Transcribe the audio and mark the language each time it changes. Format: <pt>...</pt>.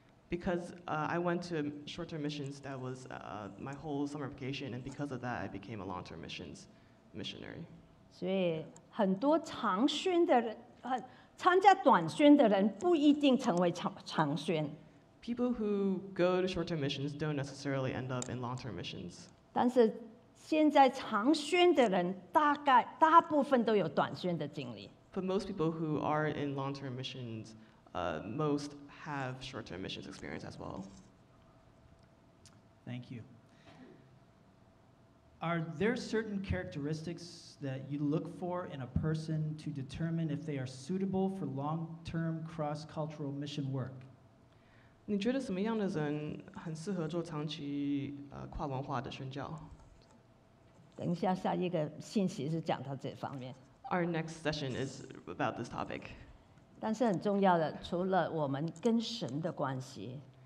<en>Because I went to short-term missions, that was my whole summer vacation, and because of that, I became a long-term missions missionary.</en> <zh>所以很多长宣的人，参加短宣的人不一定成为长宣。</zh> <en>People who go to short-term missions don't necessarily end up in long-term missions.</en> <zh>但是现在长宣的人大概大部分都有短宣的经历。</zh> <en>But most people who are in long-term missions, most have short-term missions experience as well. Thank you. Are there certain characteristics that you look for in a person to determine if they are suitable for long-term cross-cultural mission work?</en> <zh>你觉得什么样的人很适合做长期跨文化的宣教？等一下，下一个信息是讲到这方面。</zh> <en>Our next session is about this topic.</en> <zh>但是很重要的，除了我们跟神的关系，</zh>